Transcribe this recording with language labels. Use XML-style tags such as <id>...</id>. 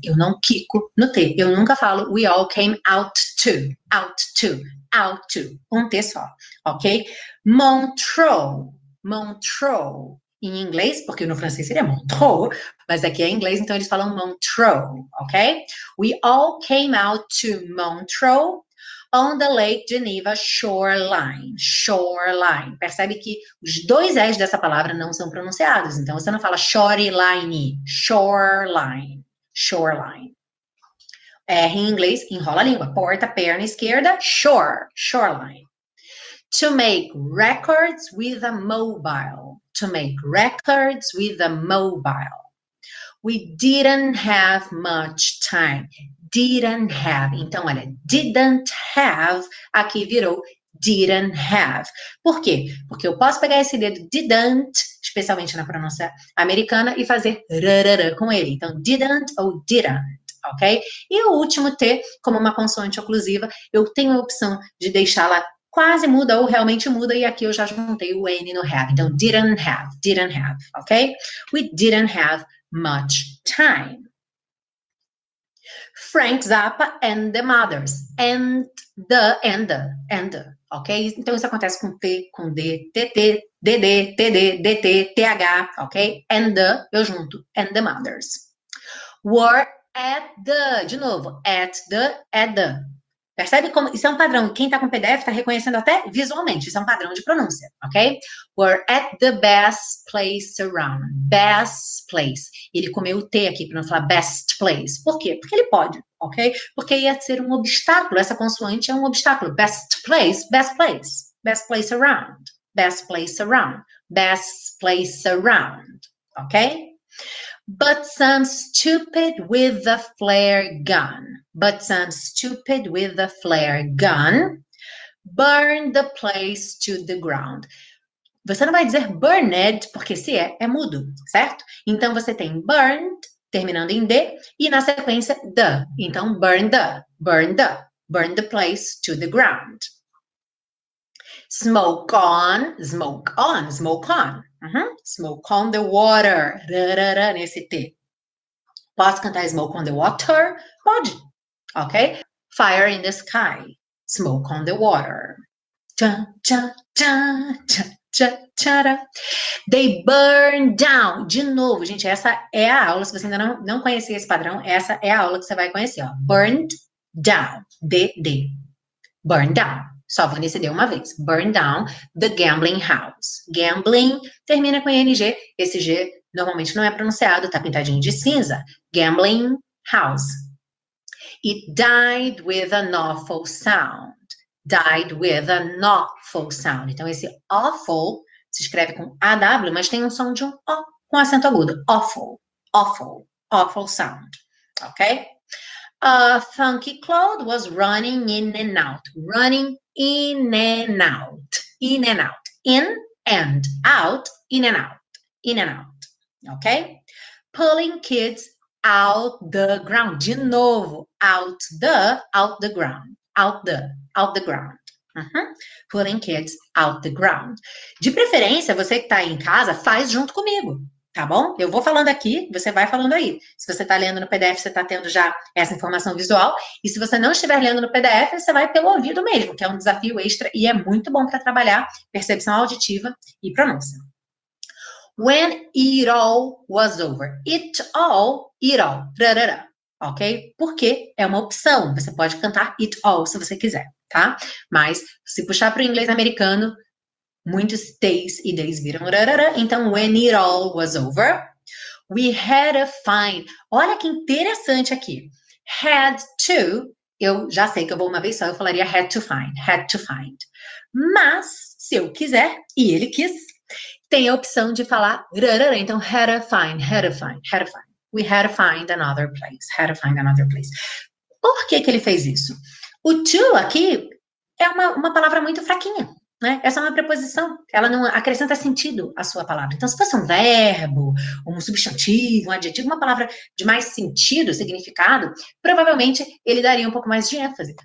<pt>Eu não quico no T. Eu nunca falo</pt> <en>we all came out to. Out to. Out to. Um T só, ok? Montreux. Montreux.</en> <pt>Em inglês, porque no francês seria Montreux, mas aqui é inglês, então eles falam Montreux, ok?</pt> <en>We all came out to Montreux on the Lake Geneva shoreline. Shoreline.</en> <pt>Percebe que os dois S dessa palavra não são pronunciados, então você não fala</pt> <en>shoreline, shoreline, shoreline.</en> <pt>R em inglês enrola a língua. Porta, perna esquerda,</pt> <en>shore, shoreline. To make records with a mobile. To make records with a mobile. We didn't have much time. Didn't have.</en> <pt>Então, olha,</pt> <en>didn't have,</en> <pt>aqui virou</pt> <en>didn't have.</en> <pt>Por quê? Porque eu posso pegar esse dedo</pt> <en>didn't,</en> <pt>especialmente na pronúncia americana, e fazer rarara com ele. Então,</pt> <en>didn't ou didn't.</en> <pt>Ok? E o último T, como uma consoante oclusiva, eu tenho a opção de deixá-la quase muda ou realmente muda, e aqui eu já juntei o N no have. Então,</pt> <en>didn't have,</en> <pt>ok?</pt> <en>We didn't have much time. Frank Zappa and the Mothers. And The and the, and the, ok?</en> <pt>Então isso acontece com T, com D, TT, DD, TD, DT, TH, ok?</pt> <en>And the,</en> <pt>eu junto,</pt> <en>and the mothers. Were at the,</en> <pt>de novo,</pt> <en>at the, at the.</en> <pt>Percebe como isso é um padrão? Quem está com PDF está reconhecendo até visualmente, isso é um padrão de pronúncia, ok?</pt> <en>Were at the best place around. Best place.</en> <pt>Ele comeu o T aqui para não falar</pt> <en>best place.</en> <pt>Por quê? Porque ele pode, ok? Porque ia ser um obstáculo. Essa consoante é um obstáculo.</pt> <en>Best place, best place. Best place around. Best place around. Best place around, ok? But some stupid with a flare gun. But some stupid with a flare gun burned the place to the ground.</en> <pt>Você não vai dizer burned, porque se é, é mudo, certo? Então você tem burned, terminando em D, e na sequência, the. Então,</pt> <en>burn the, burn the, burn the place to the ground. Smoke on, smoke on, smoke on. Smoke on the water.</en> <pt>Rarara, nesse T. Posso cantar Smoke on the Water? Pode. Ok?</pt> <en>Fire in the sky. Smoke on the water. Tcha, tcha, tcha, tcha, tchara. They burn down.</en> <pt>De novo, gente, essa é a aula. Se você ainda não conhecia esse padrão, essa é a aula que você vai conhecer.</pt> <en>Ó. Burned down. D-D. Burn down.</en> <pt>Só vou nesse D uma vez.</pt> <en>Burn down the gambling house.</en> <pt>Gambling termina com ing. Esse G normalmente não é pronunciado, tá pintadinho de cinza.</pt> <en>Gambling house. It died with an awful sound. Died with an awful sound.</en> <pt>Então esse awful se escreve com aw, mas tem um som de um o com acento agudo.</pt> <en>Awful, awful, awful sound. Ok? A funky cloud was running in and out. Running in and out. In and out. In and out. In and out. In and out. Ok? Pulling kids out the ground. De novo. Out the ground. Out the ground. Pulling kids out the ground.</en> <pt>De preferência, você que está aí em casa, faz junto comigo. Tá bom? Eu vou falando aqui, você vai falando aí. Se você está lendo no PDF, você está tendo já essa informação visual. E se você não estiver lendo no PDF, você vai pelo ouvido mesmo, que é um desafio extra e é muito bom para trabalhar percepção auditiva e pronúncia.</pt> <en>When it all was over. It all, rarara. Ok?</en> <pt>Porque é uma opção. Você pode cantar</pt> <en>it all</en> <pt>se você quiser, tá? Mas se puxar para o inglês americano. Muitos days e days viram rarara. Então,</pt> <en>when it all was over, we had a fine.</en> <pt>Olha que interessante aqui.</pt> <en>Had to,</en> <pt>eu já sei que eu vou uma vez só, eu falaria</pt> <en>had to find, had to find.</en> <pt>Mas, se eu quiser, e ele quis, tem a opção de falar rarara. Então,</pt> <en>had a fine, had a fine, had a fine. We had to find another place, had to find another place.</en> <pt>Por que que ele fez isso? O to aqui é uma palavra muito fraquinha. Né? Essa é uma preposição, ela não acrescenta sentido à sua palavra. Então, se fosse um verbo, um substantivo, um adjetivo, uma palavra de mais sentido, significado, provavelmente ele daria um pouco mais de ênfase.</pt>